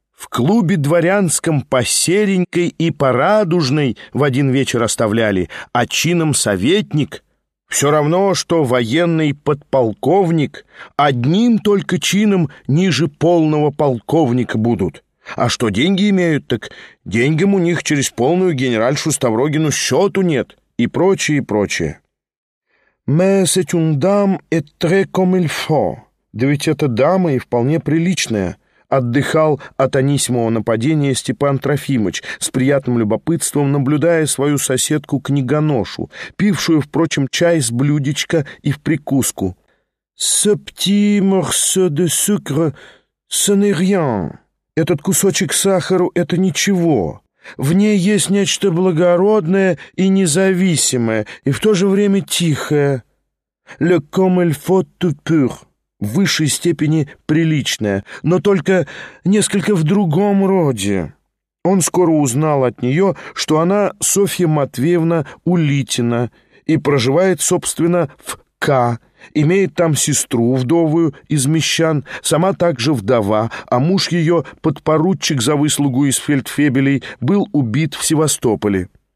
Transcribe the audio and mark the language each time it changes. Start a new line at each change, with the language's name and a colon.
Russian: В клубе дворянском по серенькой и по радужной в один вечер оставляли, а чином советник, все равно, что военный подполковник, одним только чином ниже полного полковника будут. А что деньги имеют, так деньгам у них через полную генеральшу Ставрогину счету нет, и прочее, и прочее.
French: «Mais c'est une dame et très comme il faut».
Russian: «Да ведь эта дама и вполне приличная». Отдыхал от Анисимова нападения Степан Трофимыч, с приятным любопытством наблюдая свою соседку-книгоношу, пившую, впрочем, чай с блюдечка и в прикуску.
French: «Ce petit morceau de sucre, ce n'est rien».
Russian: «Этот кусочек сахару — это ничего. В ней есть нечто благородное и независимое, и в то же время тихое.
French: Le comme il faut tout pur».
Russian: В высшей степени приличная, но только несколько в другом роде. Он скоро узнал от нее, что она Софья Матвеевна Улитина и проживает, собственно, в К, имеет там сестру вдовую из мещан, сама также вдова, а муж ее, подпоручик за выслугу из фельдфебелей, был убит в Севастополе.